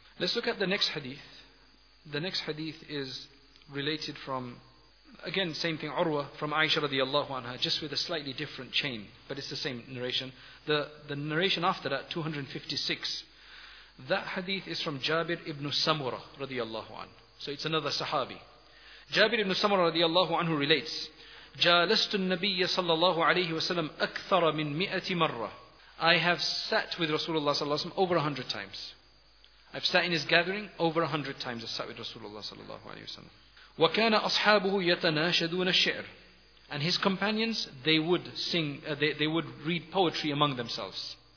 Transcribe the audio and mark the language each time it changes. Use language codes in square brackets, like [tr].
[en] Let's look at the next hadith. The next hadith is related from, again, same thing, Urwa, from Aisha radiallahu anha, just with a slightly different chain, but it's the same narration. The narration after that, 256, that hadith is from Jabir ibn Samura radiallahu anhu. So it's another sahabi. [ar] Jabir ibn Samura radiallahu anhu relates, جَالَسْتُ النَّبِيَّ صَلَّى اللَّهُ عَلَيْهِ وَسَلَّمْ أَكْثَرَ مِنْ مِئَةِ مَرَّةِ. [en] I have sat with Rasulullah sallallahu alaihi wasallam over 100 times. I've sat in his gathering over 100 times. I sat with Rasulullah sallallahu alaihi wasallam. [ar] وَكَانَ أَصْحَابُهُ يَتَنَاشَدُونَ الشِّعْرِ. [en] And his companions, they would sing, they would read poetry among themselves.